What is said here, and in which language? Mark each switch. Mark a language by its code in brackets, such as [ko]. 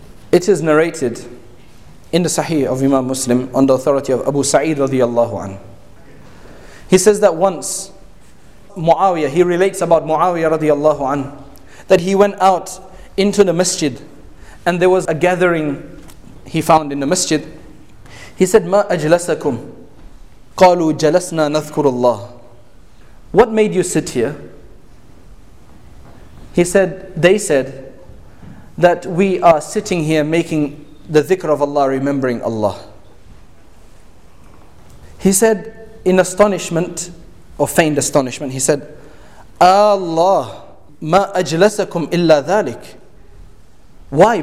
[en] It is narrated in the Sahih of Imam Muslim on the authority of Abu Sa'id radiallahu anhu. He says that once Muawiyah, he relates about Muawiyah radiallahu anhu, that he went out into the masjid and there was a gathering he found in the masjid. He said, [ar] ما أجلسكم؟ قالوا جلسنا نذكر الله. [en] What made you sit here? He said, they said that we are sitting here making the dhikr of Allah, remembering Allah. He said, in astonishment, or feigned astonishment, he said, Allah, [ar] ما أجلسكم إلا ذلك. [en] Why?